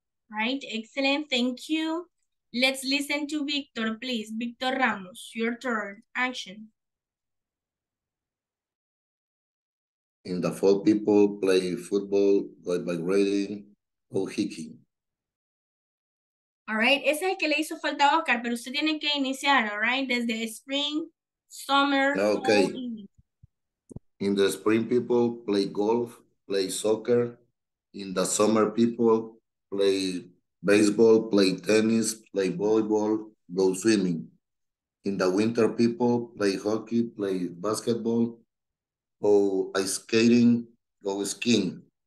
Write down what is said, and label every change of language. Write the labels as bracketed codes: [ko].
[en] Right, excellent, thank you. Let's listen to Victor, please. Victor Ramos, your turn, action. In the fall, people play football, go bike riding, go hiking. All right, [es] ese es el que le hizo falta a Oscar, pero usted tiene que iniciar, [en] all right? [es] Desde spring, summer, okay. [en] In the spring, people play golf, play soccer. In the summer, people play baseball, play tennis, play volleyball, go swimming. In the winter, people play hockey, play basketball, go ice skating, go skiing.